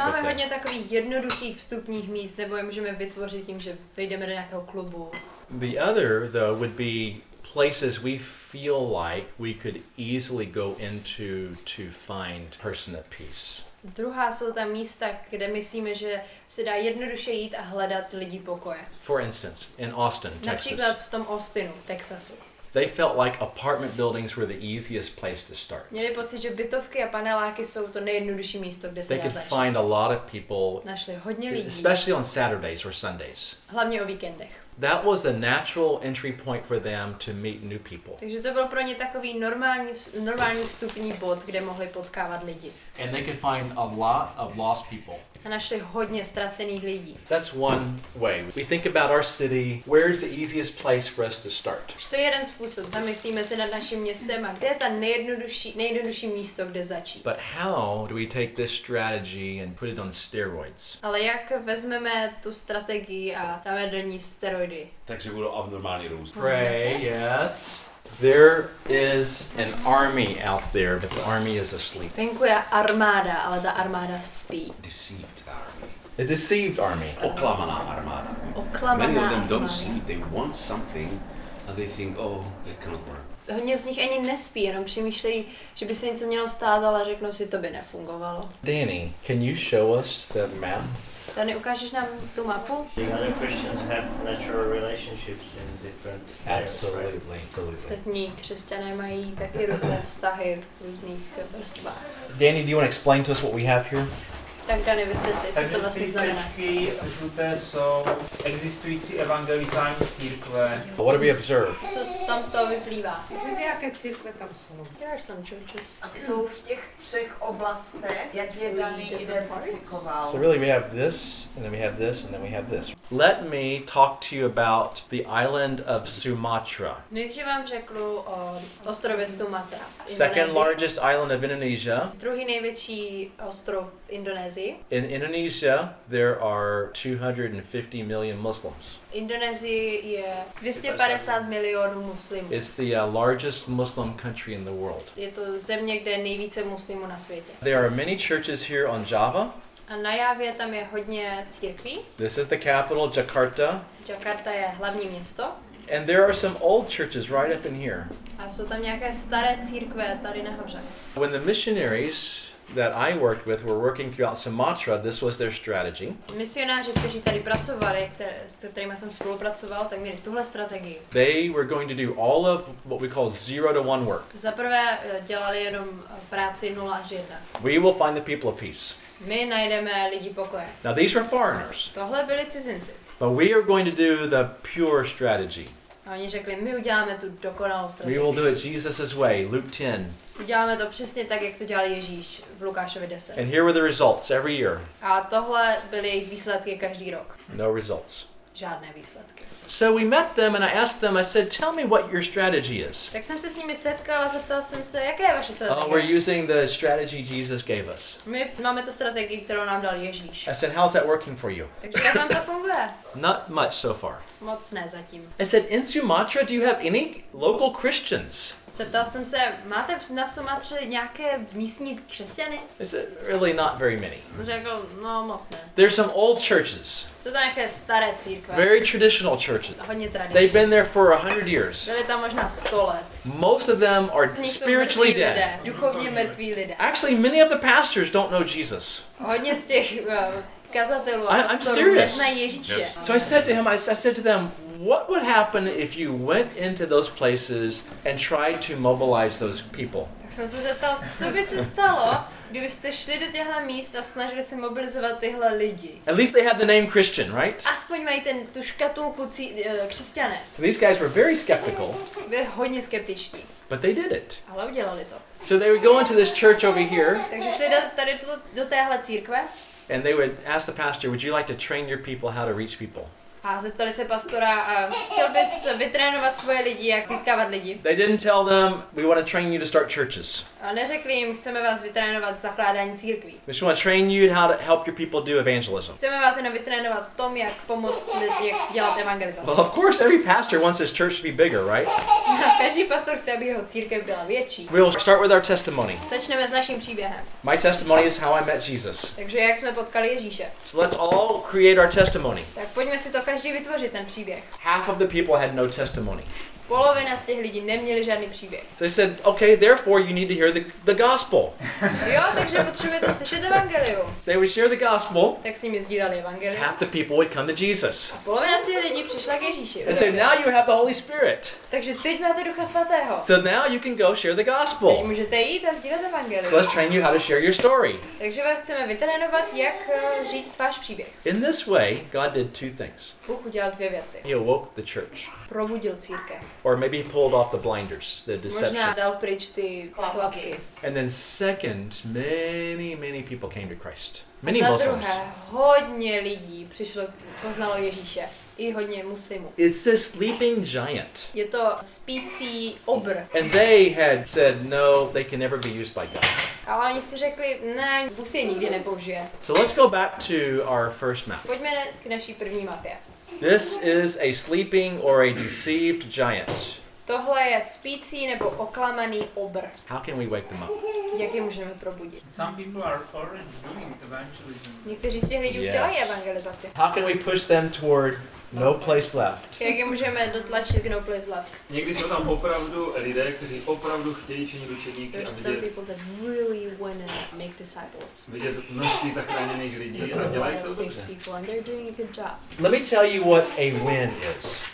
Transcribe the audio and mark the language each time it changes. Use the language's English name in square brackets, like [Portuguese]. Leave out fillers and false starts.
[Czech] Máme hodně takových jednoduchých vstupních míst, nebo je můžeme vytvořit tím, že vejdeme do nějakého klubu. [English] The other, though, would be places we feel like we could easily go into to find person of peace. [Czech] Druhá jsou ta místa, kde myslíme, že se dá jednoduše jít a hledat lidi pokoje. [English] For instance, in Austin, Texas. [Czech] Například v tom Austinu, Texasu. [English] They felt like apartment buildings were the easiest place to start. [Czech] Měli pocit, že bytovky a paneláky jsou to nejjednodušší místo, kde se dá začít. [English] They could find a lot of people. [Czech] Našli hodně lidí. [English] Especially on Saturdays or Sundays. [Czech] Hlavně o víkendech. [English] That was a natural entry point for them to meet new people. [Czech] Takže to byl pro ně takový normální vstupní bod, kde mohli potkávat lidi. [English] And they could find a lot of lost people. [Czech] A našli hodně ztracených lidí. [English] That's one way. We think about our city, where's the easiest place for us to start? [Czech] To je jeden způsob. Zamyslíme se nad naším městem a kde je ta nejjednodušší místo, kde začít. [English] But how do we take this strategy and put it on steroids? [Czech] Ale jak vezmeme tu strategii a dáme do ní steroidy? Takže budou abnormální růst. [English] Pray, yes. There is an army out there, but the army is asleep. [Czech] Venku je armáda, ale ta armáda spí. [English] Deceived army. A deceived army. [Czech] Oklamaná armáda. Oklamaná. [English] Many of them don't sleep. They want something and they think, oh, it cannot work. [Czech] Hodně z nich ani nespí, jenom přemýšlejí, že by se něco mělo stát, ale řeknou si, to by nefungovalo. [English] Danny, can you show us the map? [Czech] Dani, ukážeš nám tu mapu? [English] The Christians have natural relationships in different absolutely. [Czech] Ostatní křesťané mají taky různé vztahy v různých vrstvách. [English] Danny, do you want to explain to us what we have here? [Czech] Tak Dani, vysvětli, co to vlastně znamená. Takže ty žluté jsou existující evangelikální církve. [English] What do we observe? [Czech] Co tam z toho vyplývá? Nějaké církve tam jsou. [English] There are some churches. [Czech] A jsou v těch třech oblastech, jak je Dani identifikoval. [English] So really we have this, and then we have this, and then we have this. Let me talk to you about the island of Sumatra. [Czech] Nejdřív vám řeknu o ostrově Sumatra. [English] Second largest island of Indonesia. [Czech] Druhý největší ostrov v Indonésii. [English] In Indonesia, there are 250 million Muslims. [Czech] Indonesia je 250 milionů muslimů. [English] It's the largest Muslim country in the world. [Czech] Je to země, kde je nejvíce muslimů na světě. [English] There are many churches here on Java. [Czech] A na Javě tam je hodně církví. [English] This is the capital, Jakarta. [Czech] Jakarta je hlavní město. [English] And there are some old churches right up in here. [Czech] A jsou tam nějaké staré církve tady nahoře. [English] When the missionaries that I worked with were working throughout Sumatra, this was their strategy. [Czech] Misionáři, kteří tady pracovali, s kterými jsem spolupracoval, tak měli tuhle strategii. [English] They were going to do all of what we call 0-to-1 work. [Czech] Za prvé dělali jenom práci 0 až 1. [English] We will find the people of peace. [Czech] My najdeme lidi pokoje. [English] Now these were foreigners. [Czech] Tohle byli cizinci. [English] But we are going to do the pure strategy. [Czech] A oni řekli, my uděláme tu dokonalou strategii. [English] We will do it Jesus's way, Luke 10. [Czech] Uděláme to přesně tak, jak to dělal Ježíš v Lukášovi 10. [English] And here were the results every year. [Czech] A tohle byly jejich výsledky každý rok. [English] No results. [Czech] Žádné výsledky. [English] So we met them and I asked them, I said, tell me what your strategy is. [Czech] Tak jsem se s nimi setkal a zeptal jsem se, jaká je vaše strategie? [English] We're using the strategy Jesus gave us. [Czech] My máme tu strategii, kterou nám dal Ježíš. [English] I said, how's that working for you? [Czech] Takže jak vám to funguje? [English] Not much so far. [Czech] Moc ne zatím. [English] I said, in Sumatra, do you have any local Christians? [Czech] Zeptal jsem se, máte na Sumatře nějaké místní křesťany? [English] I said, really not very many. [Czech] Řekl, no moc ne. [English] There's some old churches. [Czech] Jsou tam nějaké staré církve. [English] Very traditional churches. [Czech] Hodně tradiční. [English] They've been there for 100 years. [Czech] Byli tam možná 100 let. [English] Most of them are spiritually dead. [Czech] Duchovně mrtví lidé. [English] Actually, many of the pastors don't know Jesus. [Czech] Hodně z těch [English] I'm serious. So I said to him, I said to them, what would happen if you went into those places and tried to mobilize those people? [Czech] Tak jsem se zeptal, co by se stalo, kdybyste šli do těchto míst a snažili se mobilizovat tyhle lidi. [English] At least they had the name Christian, right? [Czech] Aspoň mají tu škatulku křesťané. [English] So these guys were very skeptical. [Czech] Byli hodně skeptiční. [English] But they did it. [Czech] Ale udělali to. [English] So they would go into this church over here. [Czech] Takže šli tady do téhle církve. [English] And they would ask the pastor, would you like to train your people how to reach people? [Czech] A zeptali se pastora, chtěl bys vytrénovat svoje lidi, jak získávat lidi? [English] They didn't tell them, we want to train you to start churches. [Czech] A neřekli jim, chceme vás vytrénovat v zakládání církví. [English] We just want to train you how to help your people do evangelism. [Czech] Chceme vás jenom vytrénovat v tom, jak pomoct lidi, jak dělat evangelizaci. [English] Well, of course, every pastor wants his church to be bigger, right? [Czech] Každý pastor chce, aby jeho církev byla větší. [English] We'll start with our testimony. [Czech] Začneme s naším příběhem. [English] My testimony is how I met Jesus. [Czech] Takže jak jsme potkali Ježíše. [English] So let's all create our testimony. [Czech] Tak pojďme si to každý vytvořit ten příběh. [English] Half of the people had no testimony. [Czech] Polovina z těch lidí neměli žádný příběh. [English] So he said, okay, therefore you need to hear the gospel. [Czech] Jo, takže potřebujete slyšet evangelium. [English] They would share the gospel. [Czech] Tak s nimi sdíleli evangelium. [English] Half the people would come to Jesus. [Czech] A polovina z těch lidí přišla k Ježíši. [English] And so now you have the Holy Spirit. [Czech] Takže teď máte Ducha Svatého. [English] So now you can go share the gospel. [Czech] Teď můžete jít a sdílet evangelium. [English] So let's train you how to share your story. [Czech] Takže vás chceme vytrénovat, jak říct váš příběh. [English] In this way, God did two things. [Czech] Bůh udělal dvě věci. [English] He awoke the church. [Czech] Probudil církev. [English] Or maybe he pulled off the blinders, the deception. [Czech] Možná dal pryč ty klapky. [English] And then second, many, many people came to Christ. Many Muslims. [Czech] Za druhé, hodně lidí přišlo, poznalo Ježíše. I hodně muslimů. [English] It's a sleeping giant. [Czech] Je to spící obr. [English] And they had said, no, they can never be used by God. [Czech] Ale oni si řekli, ne, Bůh si je nikdy nepoužije. [English] So let's go back to our first map. [Czech] Pojďme k naší první mapě. [English] This is a sleeping or a deceived giant. [Czech] Tohle je spící nebo oklamaný obr. [English] How can we wake them up? [Czech] Jak je můžeme probudit? [English] Some people are already doing evangelism. [Czech] Někteří z těch lidí už dělají evangelizaci. [English] How can we push them toward no place left? [Czech] Jak je můžeme dotlačit k no place left? Někdy jsou tam opravdu lidé, kteří opravdu chtějí činit učeníky. [English] There's some people that really want to make disciples. [Czech] Vidět množství zachráněných lidí a dělají to dobře. [English] People and they're doing a good job. Let me tell you what a win is.